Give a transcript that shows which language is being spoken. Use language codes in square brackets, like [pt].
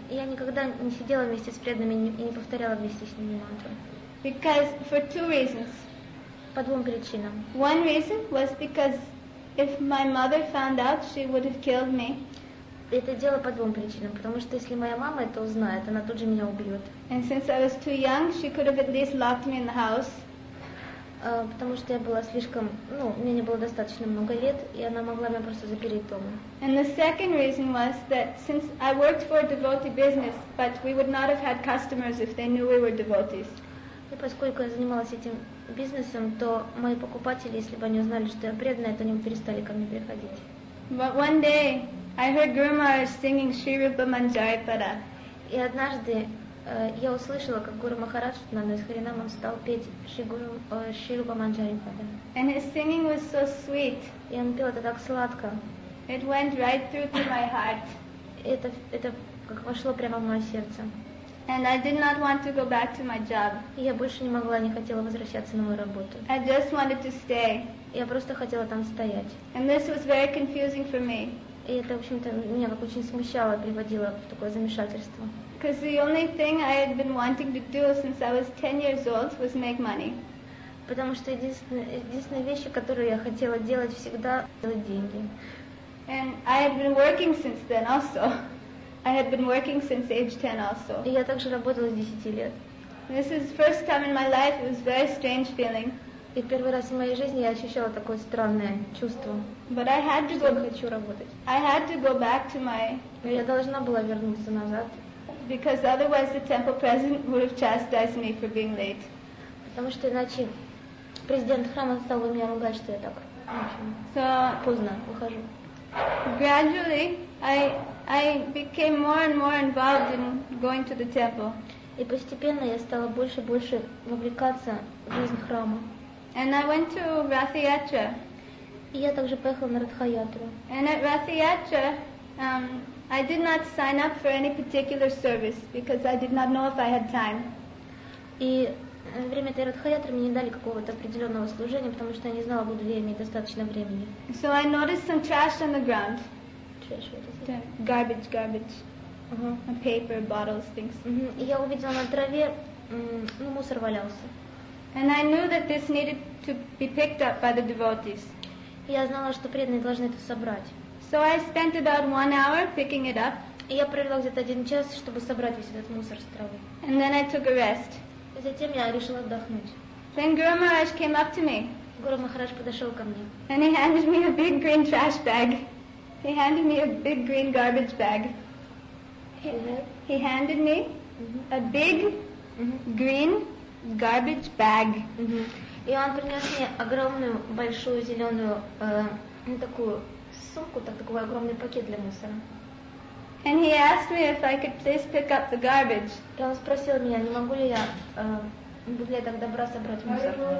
[ru] Я никогда не сидела вместе с преданными и не повторяла вместе с ними мантру. [en] Because for two reasons. [ru] По двум причинам. [en] One reason was because if my mother found out, she would have killed me. [ru] Это дело по двум причинам, потому что если моя мама это узнает, она тут же меня убьет. [en] And since I was too young, she could have at least locked me in the house. [ru] Потому что я была слишком, ну, мне не было достаточно много лет, и она могла меня просто запереть дома. [en] And the second reason was that since I worked for a devotee business, but we would not have had customers if they knew we were devotees. [ru] И поскольку я занималась этим бизнесом, то мои покупатели, если бы они узнали, что я преданная, то они бы перестали ко мне приходить. [en] But one day I heard Guru Maharaj singing Sri Rupa Manjaripada. [ru] И однажды я услышала, как Гуру Махарадж на одной из харинам он стал петь Шри Рупа Манджарипада. [en] And his singing was so sweet. [ru] И он пел это так сладко. [en] It went right through to my heart. [ru] Это как вошло прямо в мое сердце. [en] And I did not want to go back to my job. [ru] Я больше не могла, не хотела возвращаться на мою работу. [en] I just wanted to stay. [ru] Я просто хотела там стоять. [en] And this was very confusing for me. [ru] И это, в общем-то, меня как очень смущало, приводило в такое замешательство. [en] Because the only thing I had been wanting to do since I was 10 years old was make money. [ru] Потому что единственная вещь, которую я хотела делать всегда, делать деньги. [en] And I had been working since then also. I had been working since age 10 also. [ru] И я также работала с 10 лет. [en] This is the first time in my life, it was a very strange feeling. [ru] И первый раз в моей жизни я ощущала такое странное чувство. [en] But I had to [ru] что я хочу работать. [en] I had to go back to my... [ru] Но я должна была вернуться назад. [en] Because otherwise the temple president would have chastised me for being late. [ru] Потому что иначе президент храма стал бы меня ругать, что я так поздно ухожу. [en] Gradually, I became more and more involved in going to the temple. [ru] И постепенно я стала больше и больше вовлекаться в жизнь храма. [en] And I went to Rathayatra. [ru] И я также поехала на Ратха-ятру. [en] And at Rathayatra, I did not sign up for any particular service because I did not know if I had time. И во время этой Ратха-ятры мне не дали какого-то определенного служения, потому что я не знала, буду ли я иметь достаточно времени. So I noticed some trash on the ground. Trash, what is it? Garbage. Uh-huh. Paper, bottles, things. [ru] И я увидела на траве, ну, мусор валялся. [en] And I knew that this needed to be picked up by the devotees. [ru] Я знала, что преданные должны это собрать. [en] So I spent about 1 hour picking it up. [ru] И я провела где-то 1 час, чтобы собрать весь этот мусор с травы. [en] And then I took a rest. [ru] И затем я решила отдохнуть. [en] Then Guru Maharaj came up to me. [ru] Гуру Махарадж подошел ко мне. [en] And he handed me a big green trash bag. He handed me a big green garbage bag. He handed me a big green garbage bag. [ru] И он принес мне огромную большую зеленую такую сумку, так такой огромный пакет для мусора. [en] And he asked me if I could please pick up the garbage. [ru] И он спросил меня, не могу ли я буду ли я так добра собрать мусор.